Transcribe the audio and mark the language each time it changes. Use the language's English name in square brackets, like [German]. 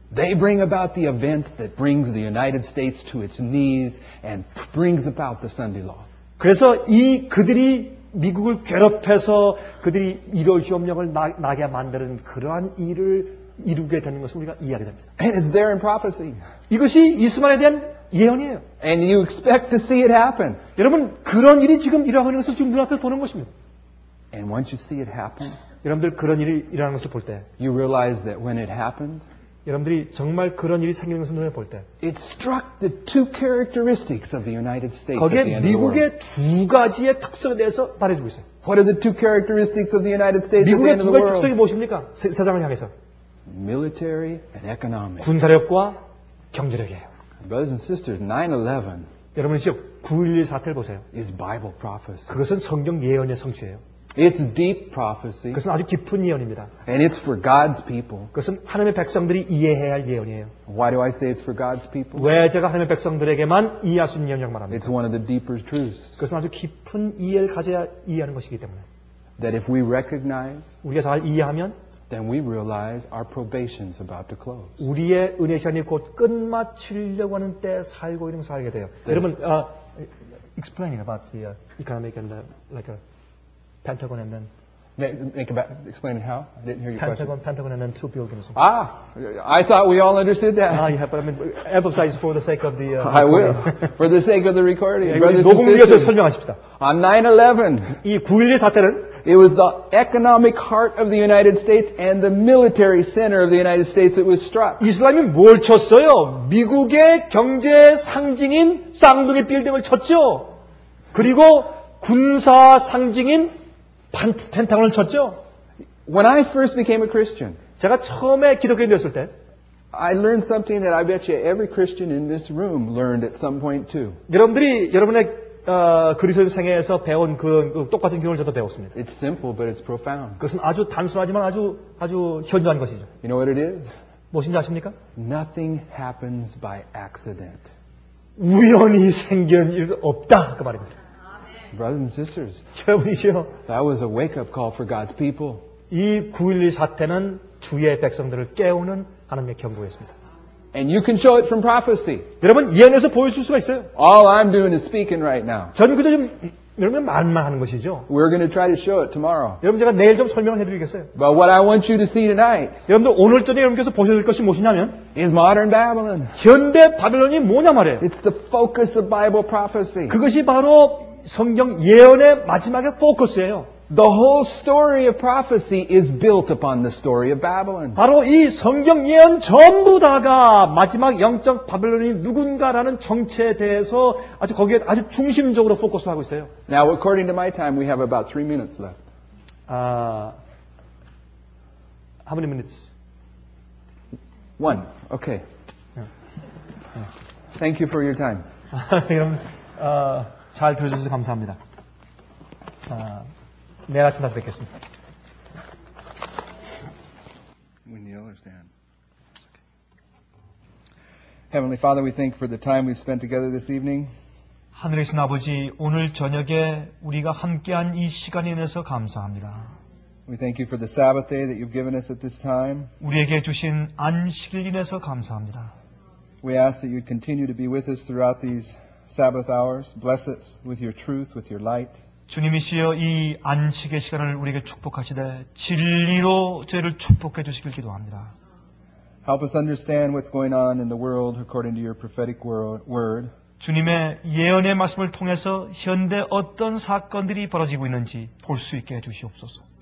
[English] They bring about the events that brings the United States to its knees and brings about the Sunday law. [Korean] 그래서 이 그들이 미국을 괴롭혀서 그들이 일요일 휴업령을 나게 만드는 그러한 일을 이루게 되는 것을 우리가 이해하게 됩니다. [English] And it's there in prophecy. [Korean] 이것이 이스마엘에 대한 예언이에요. [English] And you expect to see it happen. [Korean] 여러분 그런 일이 지금 일어나는 것을 지금 눈앞에 보는 것입니다. [English] And once you see it happen, [Korean] 여러분들 그런 일이 일어나는 것을 볼 때, [English] you realize that when it happened, [Korean] 여러분들이 정말 그런 일이 생기는 것을 눈에 볼 때, [English] it struck the two characteristics of the United States. [Korean] 거기에 미국의 두 가지의 특성에 대해서 말해주고 있어요. [English] What are the two characteristics of the United States? [Korean] 미국의 두 가지 특성이 무엇입니까? 세상을 향해서. [English] Military and economic. [Korean] 군사력과 경제력이에요. [English] Brothers and sisters, 9/11. [Korean] 여러분 지금 9/11 사태를 보세요. [English] Is Bible prophecy. [Korean] 그것은 성경 예언의 성취예요. [English] It's deep prophecy. [Korean] 그것은 아주 깊은 예언입니다. [English] And it's for God's people. [Korean] 그것은 하나님의 백성들이 이해해야 할 예언이에요. [English] Why do I say it's for God's people? [Korean] 왜 제가 하나님의 백성들에게만 이해할 수 있는 예언이라고 말합니다. [English] It's one of the deeper truths. [Korean] 그것은 아주 깊은 이해를 가져야 이해하는 것이기 때문에. [English] That if we recognize, [Korean] 우리가 잘 이해하면, [English] then we realize our probation's about to close. [Korean] 우리의 은혜 시간이 곧 끝마치려고 하는 때 살고 있는 것을 알게 돼요. [English] 여러분, explaining about the economic and the, like a Pentagon and then explain how? I didn't hear your Pentagon, question. Pentagon and then two buildings. Ah, I thought we all understood that. Ah, yeah, but I mean, emphasize for the sake of the I will. For the sake of the recording. Brothers and sisters. On 9/11, it was the economic heart of the United States and the military center of the United States that was struck. [Korean] 이슬람이 뭘 쳤어요? 미국의 경제 상징인 쌍둥이 빌딩을 쳤죠. 그리고 군사 상징인 펜타곤을 쳤죠. [English] When I first became a Christian, [Korean] 제가 처음에 기독교인 되었을 때, [English] I learned something that I bet you every Christian in this room learned at some point too. [Korean] 여러분들이 여러분의 그리스도인 생애에서 배운 그 똑같은 교훈을 저도 배웠습니다. [English] It's simple, but it's profound. [Korean] 그것은 아주 단순하지만 아주 현저한 것이죠. [English] You know what it is? [Korean] 무엇인지 아십니까? [English] Nothing happens by accident. [Korean] 우연히 생긴 일 없다 그 말입니다. [English] Brothers and sisters, [Korean] 여러분이시여, [English] that was a wake-up call for God's people. [Korean] 이 9/11 사태는 주의 백성들을 깨우는 하나님의 경고였습니다. [English] And you can show it from prophecy. [Korean] 여러분 예언에서 보여줄 수가 있어요. [English] All I'm doing is speaking right now. [Korean] 저는 그저 여러분 말만 하는 것이죠. [English] We're going to try to show it tomorrow. [Korean] 여러분 제가 내일 좀 설명해드리겠어요. [English] But what I want you to see tonight, [Korean] 여러분들 오늘 저녁에 여러분께서 보셔야 될 것이 무엇이냐면, [English] is modern Babylon. [Korean] 현대 바벨론이 뭐냐 말이에요. [English] It's the focus of Bible prophecy. [Korean] 그것이 바로 성경 예언의 마지막에 포커스예요. [English] The whole story of prophecy is built upon the story of Babylon. [Korean] 바로 이 성경 예언 전부 다가 마지막 영적 바벨론이 누군가라는 정체에 대해서 아주 거기에 아주 중심적으로 포커스 하고 있어요. [English] Now according to my time we have about 3 minutes left. How many minutes? One. Okay. Thank you for your time. [Korean] 여러분 잘 들어주셔서 감사합니다. 내일 아침 다시 뵙겠습니다. [English] When the others stand. Heavenly Father, we thank for the time we've spent together this evening. [Korean] 하늘이신 아버지, 오늘 저녁에 우리가 함께한 이 시간에 대해서 감사합니다. [English] We thank you for the Sabbath day that you've given us at this time. [Korean] 우리에게 주신 안식일 인해서 감사합니다. [English] We ask that you'd continue to be with us throughout these Sabbath hours, bless us with your truth, with your light. [Korean] 주님이시여 이 안식의 시간을 우리에게 축복하시되 진리로 저희를 축복해 주시길 기도합니다. [English] Help us understand what's going on in the world according to your prophetic word. [Korean] 주님의 예언의 말씀을 통해서 현대 어떤 사건들이 벌어지고 있는지 볼 수 있게 해 주시옵소서.